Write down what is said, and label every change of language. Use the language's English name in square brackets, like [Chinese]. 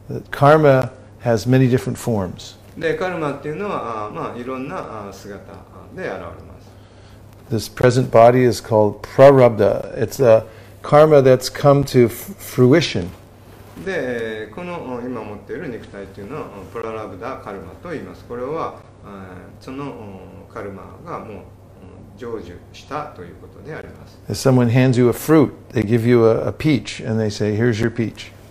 [English] Karma has many different forms. [Japanese] で、カルマっていうのは、まあ、いろんな姿で現れます。 [English] This present body is called prarabdha. It's a karma that's come to fruition. [Japanese] で、この今持っている肉体というのをプララブダカルマと言います。これはそのカルマがもう成就したということであります。 [English] If someone hands you a fruit, they give you a peach, and they say, "Here's your peach."